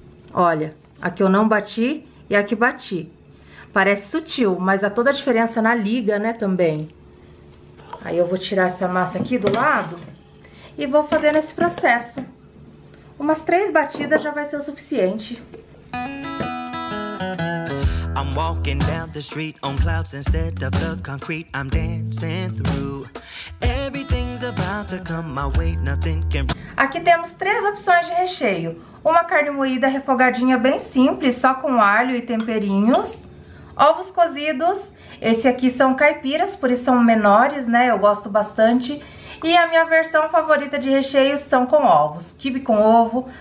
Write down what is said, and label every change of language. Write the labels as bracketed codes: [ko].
[pt] Olha, aqui eu não bati e aqui bati. Parece sutil, mas há toda a diferença na liga, né, também. Aí eu vou tirar essa massa aqui do lado e vou fazer nesse processo. Umas três batidas já vai ser o suficiente. [en] I'm walking down the street on clouds instead of the concrete. I'm dancing through. Everything's about to come my way. Nothing can... [pt] Aqui temos três opções de recheio. Uma carne moída refogadinha bem simples, só com alho e temperinhos. Ovos cozidos. Esse aqui são caipiras, por isso são menores, né? Eu gosto bastante. E a minha versão favorita de recheio são com ovos. Quibe com ovo.